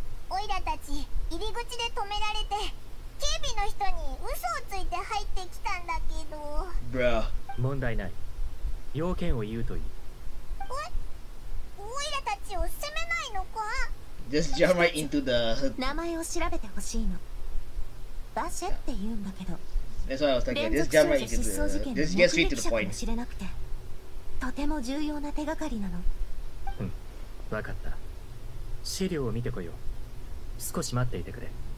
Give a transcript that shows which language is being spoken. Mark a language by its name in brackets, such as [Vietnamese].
[Japanese] オイラたち、入り口で止められて、警備の人に嘘をついて入ってきたんだけど。 [English] Bruh。 [Japanese] 問題ない。要件を言うといい。おいらたちを責めないのか？ [English] Just jump right into the [Japanese] 名前を調べてほしいの。バシェって言うんだけど。 [English] That's what I was thinking. Just jump right into the Just get straight to the point. [Japanese] 知れなくて、とても重要な手がかりなの。わかった。資料を見てこよう。少し待っていてくれ。